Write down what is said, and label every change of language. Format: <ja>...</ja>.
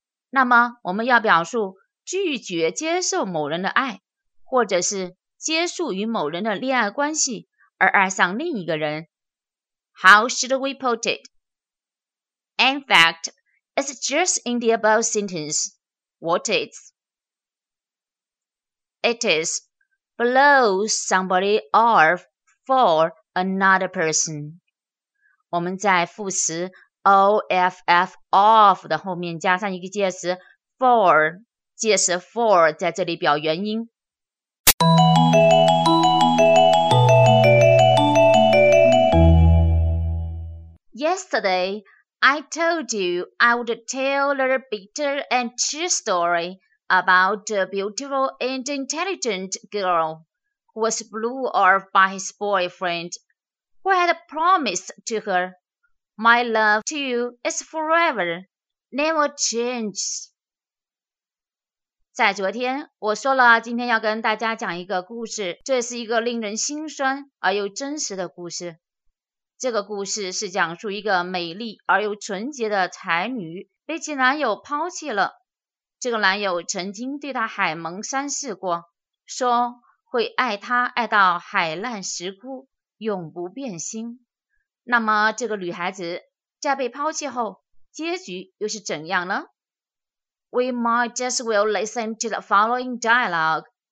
<zh>那么我们要表述拒绝接受某人的爱，或者是结束与某人的恋爱关系而爱上另一个人。</zh> <en>How should we put it? In fact, it's just in the above sentence. What is? It is blow somebody off for another person.</en> <zh>我们在副词 off of 的后面加上一个介词 for， 介词 for 在这里表原因。</zh> <en>Yesterday, I told you I would tell a bitter and true story about a beautiful and intelligent girl who was blew off by his boyfriend. Who had promised to her, My love to you is forever, never changes.</en> <zh>在昨天，我说了今天要跟大家讲一个故事，这是一个令人心酸而又真实的故事。这个故事是讲述一个美丽而又纯洁的才女被其男友抛弃了。这个男友曾经对她海盟山誓过，说会爱她爱到海难石枯。永不变心。那么这个女孩子在被抛弃后结局又是怎样呢？</zh> <en>We might just well listen to the following dialogue.</en>